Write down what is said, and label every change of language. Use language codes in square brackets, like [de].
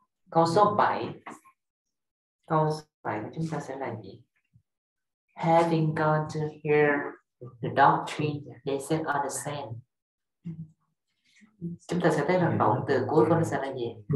[vi] Câu số 7. Câu số 7 của chúng ta sẽ là gì? [en] Having gone to hear the doctrine, they said on the sand. [vi] Chúng ta sẽ thấy là động từ cuối câu sẽ là gì?